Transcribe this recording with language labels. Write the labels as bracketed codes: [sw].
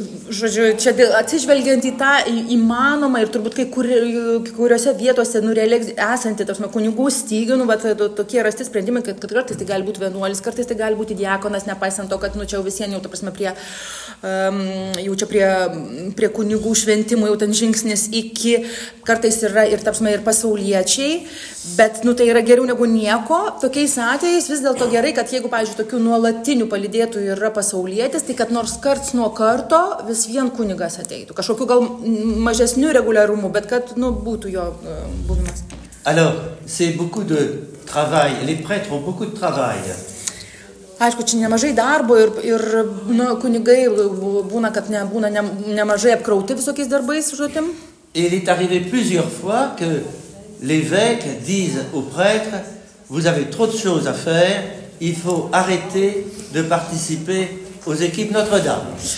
[lt] Žodžiu, čia atsižvelgiant į tą įmanomą ir turbūt kai kuriuose vietose nurealiai esantį kunigų stygių, tokie rasti sprendimai, kad kartais tai gali būti vienuolis, kartais tai gali būti diakonas, nepaisant to, kad čia jau visien jau, prie kunigų šventimų jau ten žingsnis iki, kartais yra ir pasauliečiai, bet tai yra geriau negu nieko, tokiais atvejais vis dėlto gerai, kad jeigu, pavyzdžiui, tokių nuolatinių palydėtų yra pasaulietis, tai kad nors karts nuo karto vis vien kunigas ateitų. Kažkokiu gal mažesniu reguliarumu, bet kad būtų jo buvimas. [fr] Alors, c'est beaucoup de travail. Les prêtres ont beaucoup de travail. [lt] Aišku, čia nemažai darbo ir kunigai būna, kad nebūna nemažai apkrauti visokiais darbais žodim. [fr] Il est arrivé plusieurs fois que l'évêque dise au prêtre, vous avez trop de choses à faire, il faut arrêter de participer aux équipes Notre-Dame.